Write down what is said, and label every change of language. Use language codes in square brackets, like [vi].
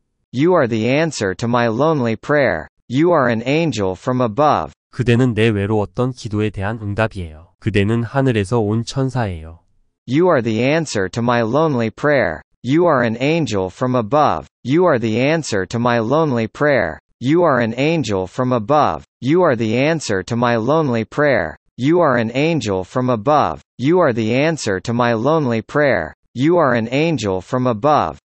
[en] You are the answer to my lonely prayer. You are an angel from above. [ko] 그대는 내 외로웠던 기도에 대한 응답이에요. 그대는 하늘에서 온 천사예요. [en] You are the answer to my lonely prayer. You are an angel from above. You are the answer to my lonely prayer. You are an angel from above. You are the answer to my lonely prayer. You are an angel from above. You are the answer to my lonely prayer. You are an angel from above.